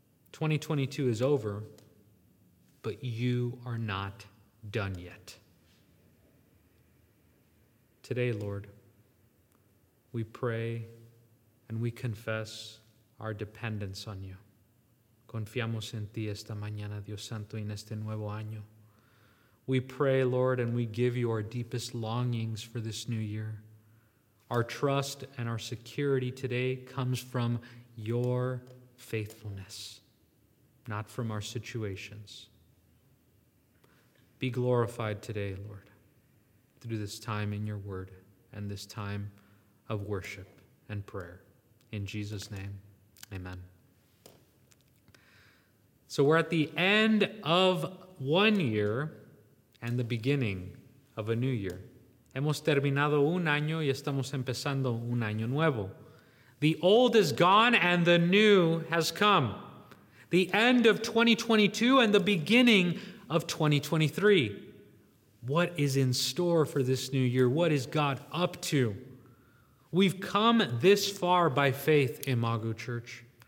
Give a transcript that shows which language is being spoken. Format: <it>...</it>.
<en>2022 is over, but you are not done yet. Today, Lord, we pray and we confess our dependence on you.</en> <es>Confiamos en ti esta mañana, Dios Santo, en este nuevo año.</es> <en>We pray, Lord, and we give you our deepest longings for this new year. Our trust and our security today comes from your faithfulness, not from our situations. Be glorified today, Lord, through this time in your word and this time of worship and prayer. In Jesus' name, amen. So we're at the end of one year and the beginning of a new year.</en> <es>Hemos terminado un año y estamos empezando un año nuevo.</es> <en>The old is gone and the new has come. The end of 2022 and the beginning of 2023. What is in store for this new year? What is God up to? We've come this far by faith, Imago Church.</en>